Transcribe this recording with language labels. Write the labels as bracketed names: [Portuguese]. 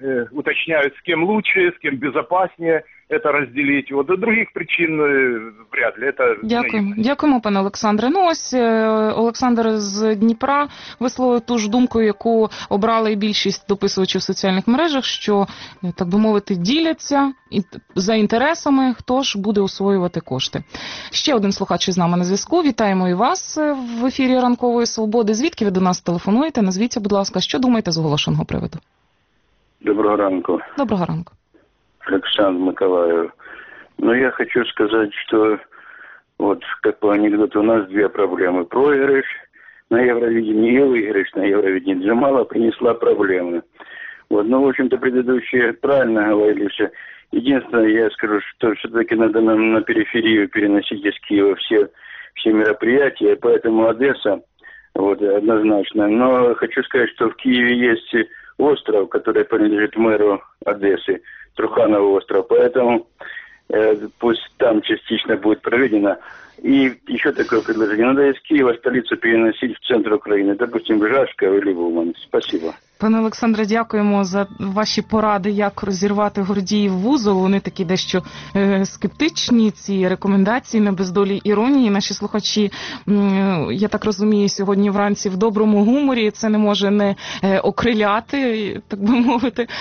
[Russian] уточняют, с кем лучше, с кем безопаснее это разделить. От других причин вряд ли. Это [Ukrainian] дякуємо. Дякуємо, пане Олександре. Ну ось Олександр з Дніпра висловив ту ж думку, яку обрали і більшість дописувачів в соціальних мережах, що, так би мовити, діляться за інтересами, хто ж буде освоювати кошти. Ще один слухач із нами на зв'язку. Вітаємо і вас в ефірі «Ранкової свободи». Звідки ви до нас телефонуєте? Назвіться, будь ласка, що думаєте з оголошеного приводу? Доброго ранку. Доброго ранку. [Russian] Александр Миколаев. Ну, я хочу сказать, что вот, как по анекдоту, у нас две проблемы. Проигрыш на Евровидении и выигрыш на Евровидении. Джамала принесла проблемы. Вот, ну, в общем-то, предыдущие правильно говорили все. Единственное, я скажу, что все-таки надо нам на периферию переносить из Киева все мероприятия, поэтому Одесса, вот, однозначно. Но хочу сказать, что в Киеве есть остров, который принадлежит мэру Одессы, Труханова острова, поэтому пусть там частично будет проведено. И еще такое предложение. Надо из Киева столицу переносить в центр Украины, допустим, в Жашково или в Умань. Спасибо. [Ukrainian] Пане Олександре, дякуємо за ваші поради, як розірвати Гордіїв вузол. Вони такі дещо скептичні, ці рекомендації на бездолі іронії. Наші слухачі, я так розумію, сьогодні вранці в доброму гуморі. Це не може не окриляти, так би мовити.